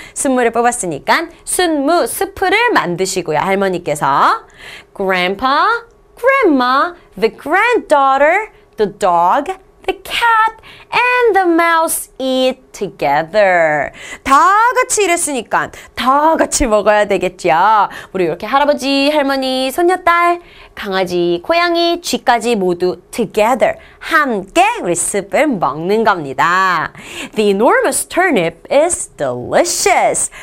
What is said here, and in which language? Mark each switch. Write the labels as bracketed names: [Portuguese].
[Korean] 순무를 뽑았으니까 순무, 수프를 만드시고요. 할머니께서. [English] Grandpa, Grandma, the granddaughter, the dog, the cat, and the mouse eat together. [Korean] 다 같이 이랬으니까 다 같이 먹어야 되겠죠. 우리 이렇게 할아버지, 할머니, 손녀딸, 강아지, 고양이, 쥐까지 모두 together, 함께 우리 숲을 먹는 겁니다. [English] The enormous turnip is delicious.